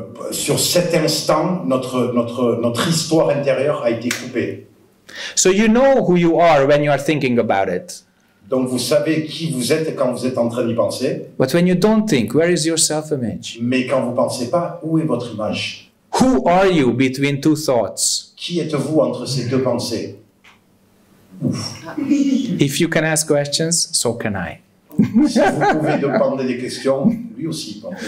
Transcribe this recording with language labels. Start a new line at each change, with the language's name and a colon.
French: Sur cet instant, notre histoire intérieure a été coupée.
English: So you know who you are when you are thinking about it.
French: Donc vous savez qui vous êtes quand vous êtes en train d'y penser.
English: But when you don't think, where is your self-image?
French: Mais quand vous pensez pas, où est votre image?
English: Who are you between two thoughts?
French: Qui êtes-vous entre ces deux pensées?
English: If you can ask questions, so can I.
French: Si vous pouvez demander des questions, lui aussi.